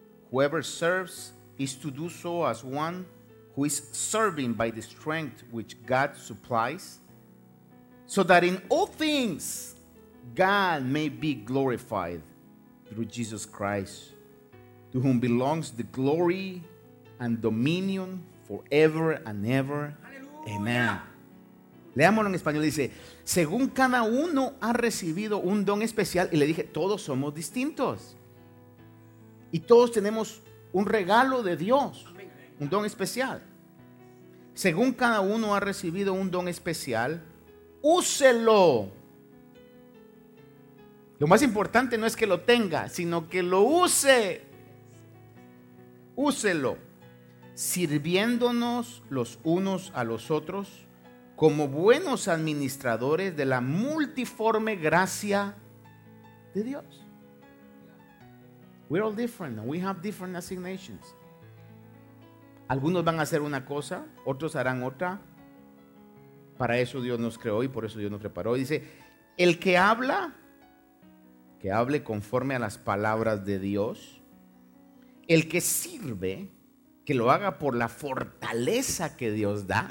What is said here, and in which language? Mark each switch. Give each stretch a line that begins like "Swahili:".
English: Whoever serves is to do so as one who is serving by the strength which God supplies, so that in all things God may be glorified through Jesus Christ, to whom belongs the glory and dominion forever and ever.
Spanish: Amen. Leámoslo en español. Dice, según cada uno ha recibido un don especial. Y le dije, todos somos distintos. Y todos tenemos un regalo de Dios. Un don especial. Según cada uno ha recibido un don especial, úselo. Lo más importante no es que lo tenga, sino que lo use. Úselo. Sirviéndonos los unos a los otros como buenos administradores de la multiforme gracia de Dios.
English: We're all different and we have different assignations.
Spanish: Algunos van a hacer una cosa, otros harán otra. Para eso Dios nos creó y por eso Dios nos preparó. Y dice, el que habla, que hable conforme a las palabras de Dios. El que sirve, que lo haga por la fortaleza que Dios da.